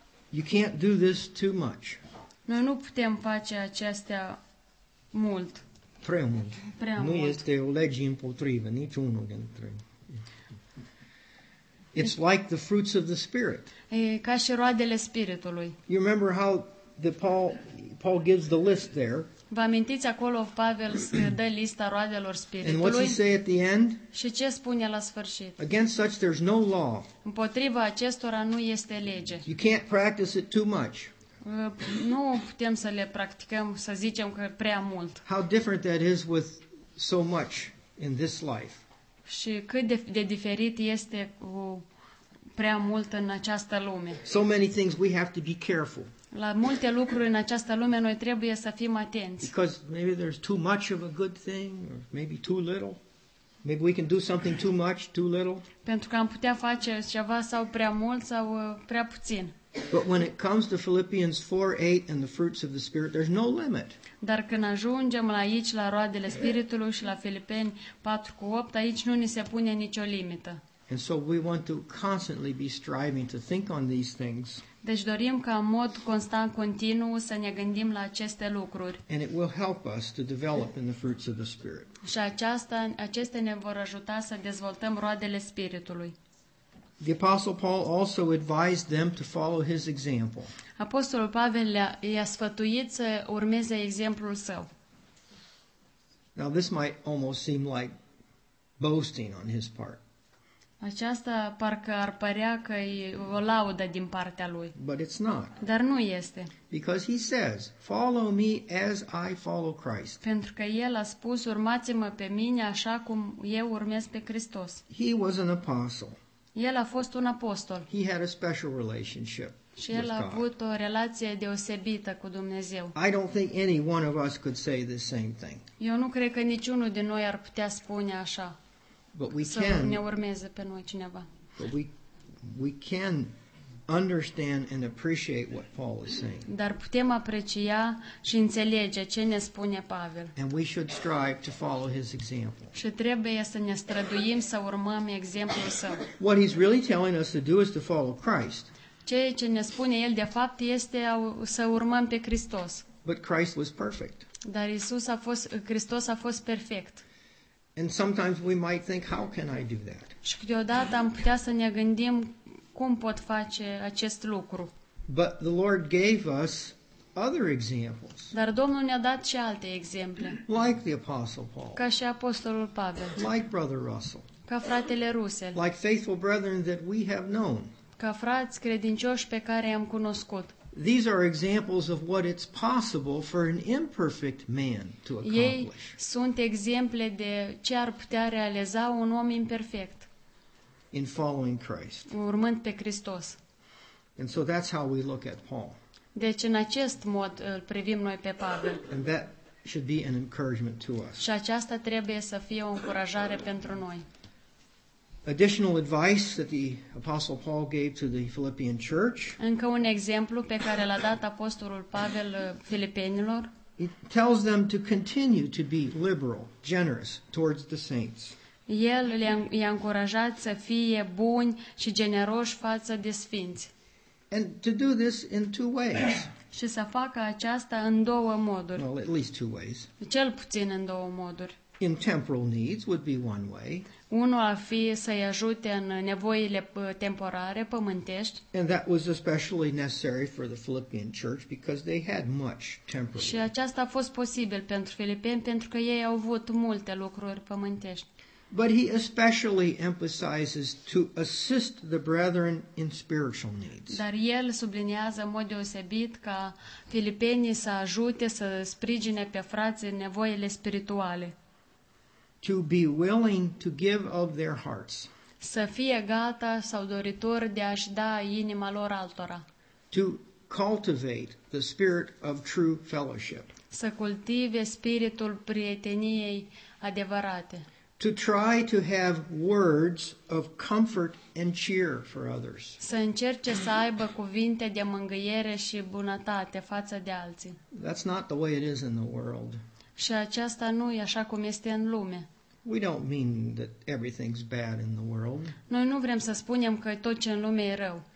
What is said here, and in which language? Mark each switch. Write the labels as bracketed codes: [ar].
[en] You can't do this too much. [ro] Noi nu putem face acestea mult. Prea mult. Prea nu mult. Este o lege împotrivă, niciunul dintre. [en] It's like the fruits of the Spirit. [ro] E ca și roadele Spiritului. [en] You remember how the Paul gives the list there. [ro] Vă amintiți acolo Pavel dă lista roadelor Spiritului? [en] And what does he say at the end? [ro] Și ce spune la sfârșit? [en] Against such there's no law. [ro] Împotriva acestora nu este lege. [en] You can't practice it too much. [ro] Nu putem să le practicăm, să zicem că prea mult. [en] How different that is with so much in this life. [ro] Și cât de diferit este cu prea mult în această lume. [en] So many things we have to be careful. [ro] La multe lucruri în această lume noi trebuie să fim atenți. [en] Because maybe there's too much of a good thing, or maybe too little. Maybe we can do something too much, too little. [ro] Pentru că am putea face ceva sau prea mult sau prea puțin. [en] But when it comes to Philippians 4:8 and the fruits of the Spirit, there's no limit. [ro] Dar când ajungem la aici la roadele Spiritului și la Filipeni 4:8, aici nu ni se pune nicio limită. [en] And so we want to constantly be striving to think on these things. [ro] Deci dorim ca în mod constant, continuu să ne gândim la aceste lucruri. [en] And it will help us to develop in the fruits of the Spirit. [ro] Și acestea ne vor ajuta să dezvoltăm roadele Spiritului. [en] The Apostle Paul also advised them to follow his example. [ro] Apostolul Pavel i-a sfătuit să urmeze exemplul său. [en] Now this might almost seem like boasting on his part. [ro] Aceasta parcă ar părea că e o laudă din partea lui. [en] But it's not. [ro] Dar nu este. [en] Because he says, follow me as I follow Christ. [ro] Pentru că el a spus, urmați-mă pe mine așa cum eu urmez pe Hristos. [en] He was an apostle. [ro] El a fost un apostol. [en] He had a special relationship with God. [ro] Și el a avut o relație deosebită cu Dumnezeu. [en] I don't think any one of us could say the same thing. [ro] Eu nu cred că niciunul din noi ar putea spune așa. [en] But we can. [ro] Să ne urmeze pe noi cineva. [en] But we can understand and appreciate what Paul is saying. [ro] Dar putem aprecia și înțelege ce ne spune Pavel. [en] And we should strive to follow his example. [ro] Și trebuie să ne străduim să urmăm exemplul său. [en] What he's really telling us to do is to follow Christ. [ro] Ceea ce ne spune el de fapt este să urmăm pe Hristos. [en] But Christ was perfect. [ro] Dar Hristos a fost perfect. [en] And sometimes we might think, how can I do that? [ro] Și câteodată am putea să ne gândim cum pot face acest lucru. [en] But the Lord gave us other examples. [ro] Dar Domnul ne-a dat și alte exemple. [en] Like the Apostle Paul. [ro] Ca și Apostolul Pavel. [en] Like Brother Russell. [ro] Ca fratele Russell. [en] Like faithful brethren that we have known. [ro] Ca frați credincioși pe care i-am cunoscut. [en] These are examples of what it's possible for an imperfect man to accomplish. [ro] Ei sunt exemple de ce ar putea realiza un om imperfect. [en] In following Christ. [ro] Urmând pe Hristos. [en] And so that's how we look at Paul. [ro] Deci în acest mod îl privim noi pe Pavel. [en] And that should be an encouragement to us. [ro] Și aceasta trebuie să fie o încurajare pentru noi. [en] Additional advice that the Apostle Paul gave to the Philippian church. [ro] Încă un exemplu pe care l-a dat apostolul Pavel filipenilor. [en] He tells them to continue to be liberal, generous towards the saints. [ro] El i-a încurajat să fie buni și generoși față de sfinți. [en] And to do this in two ways. [ro] Și să facă aceasta în două moduri. [en] Well, at least two ways. [ro] Cel puțin în două moduri. [en] In temporal needs would be one way. [ro] Unul ar fi să-i ajute în nevoile temporare, pământești. [en] And that was especially necessary for the Philippian church because they had much temporal. [ro] Și aceasta a fost posibil pentru filipeni pentru că ei au avut multe lucruri pământești. [en] But he especially emphasizes to assist the brethren in spiritual needs. [ro] Dar el subliniază în mod deosebit ca filipenii să ajute, să sprijine pe frații în nevoile spirituale. [en] To be willing to give of their hearts. [ro] Să fie gata sau doritor de a-și da inima lor altora. [en] To cultivate the spirit of true fellowship. [ro] Să cultive spiritul prieteniei adevărate. [en] To try to have words of comfort and cheer for others. [ro] Să încerce să aibă cuvinte de mângâiere și bunătate față de alții. [en] That's not the way it is in the world. [ro] Și aceasta nu e așa cum este în lume. [en] We don't mean that everything's bad in the world. [ro] Noi nu vrem să spunem că tot ce în lume e rău.